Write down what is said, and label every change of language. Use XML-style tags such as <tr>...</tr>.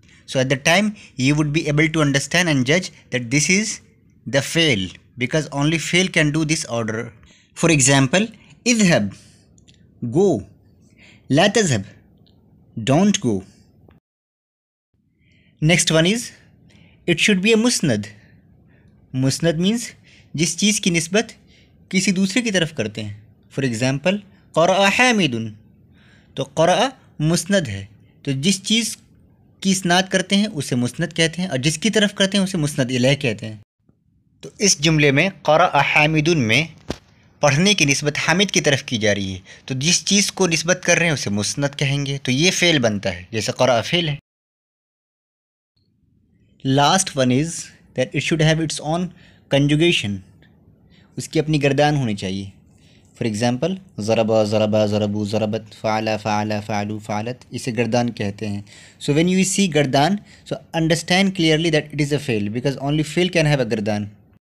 <en>So at the time you would be able to understand and جج that this is the feel because only feel can do this order. For example اذهب go.</en> <ar>لا تذهب</ar> <en>Don't go. Next one is it should be a مسند.</en> <ur>مسند means جس چیز کی نسبت کسی دوسرے کی طرف کرتے ہیں.</ur> <en>for example</en> <ar>قرأ حامد.</ar> <ur>تو قرأ مسند ہے. تو جس چیز کی اسناد کرتے ہیں اسے مسند کہتے ہیں اور جس کی طرف کرتے ہیں اسے مسند الیہ کہتے ہیں. تو تو اس جملے میں</ur> <ar>قرأ حامد</ar> <ur>میں پڑھنے کی نسبت حامد کی طرف کی جا رہی ہے، تو جس چیز کو نسبت کر رہے ہیں اسے مسند کہیں گے، تو یہ فعل بنتا ہے جیسے قرأ فعل ہے.</ur> <en>last one is that it should have its own conjugation,</en> <ur>اس کی اپنی گردان ہونی چاہیے.</ur> <en>for example</en> <ar>ضرب ضرب ضرب ضربت فعلا فعلا فعلو فعلت،</ar> <ur>اسے گردان کہتے ہیں.</ur> <en>So when you see گردان so understand clearly that it is a فیل، because only فیل can have a گردان.</en>